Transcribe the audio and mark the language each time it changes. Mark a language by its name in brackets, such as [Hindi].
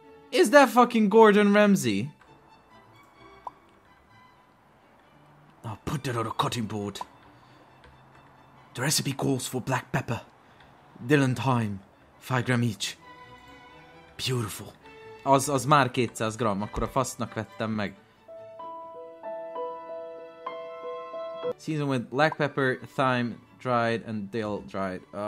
[English] Is that fucking Gordon Ramsay? I'll put that on a cutting board. The recipe calls for black pepper. Dill and thyme. 5 gram each. Beautiful. [Hungarian] Az már 200 gram, akkor a fasznak vettem meg. [English] Season with black pepper, thyme, dried and dill dried.